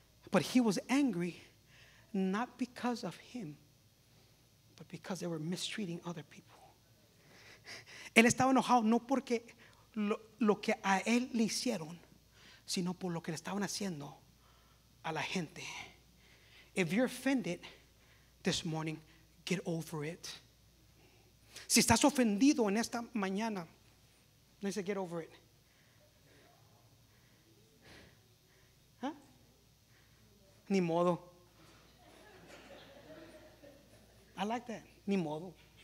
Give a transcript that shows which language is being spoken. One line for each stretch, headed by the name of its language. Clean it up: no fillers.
English: But he was angry, not because of him, but because they were mistreating other people.
Spanish: Él estaba enojado no porque lo que a él le hicieron, sino por lo que le estaban haciendo a la gente.
English: If you're offended this morning, get over it.
Spanish: Si estás ofendido en esta mañana, no dice
English: get over it.
Spanish: ¿Huh? Ni modo.
English: I like that.
Spanish: Ni modo.